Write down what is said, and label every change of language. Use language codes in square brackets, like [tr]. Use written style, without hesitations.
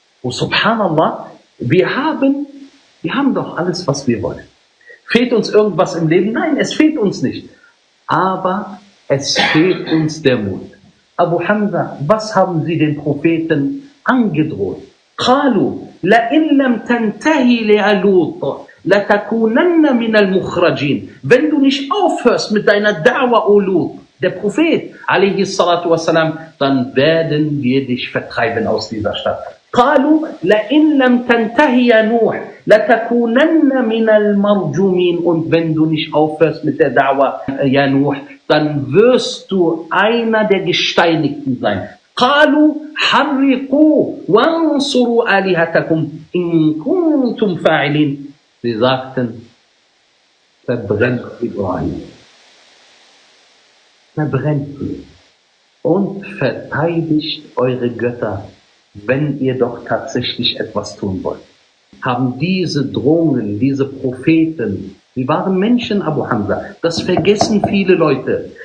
[de] Und Subhanallah, wir haben doch alles, was wir wollen. Fehlt uns irgendwas im Leben? Nein, es fehlt uns nicht. Aber es fehlt uns der Mut. Abu Hamza, was haben Sie den Propheten angedroht? [ar] قالوا لئن لم تنتهي لألوط لتكونن من المخرجين. [de] Wenn du nicht aufhörst mit deiner Da'wa, Ulut, der Prophet, alayhi salatu wasalam, dann werden wir dich vertreiben aus dieser Stadt. [ar] قالوا لئن لم تنتهي يا نوح لتكونن من المرجومين. [de] Und wenn du nicht aufhörst mit der Da'wa, ya Nuh, dann wirst du einer der Gesteinigten sein. [ar] قالوا حرقوا وانصروا آلهتكم إن كنتم فاعلين. [de] Sie sagten, verbrennt Ibrahim. Verbrennt ihn und verteidigt eure Götter, wenn ihr doch tatsächlich etwas tun wollt. Haben diese Drohungen, diese Propheten, die waren Menschen, Abu Hamza, das vergessen viele Leute.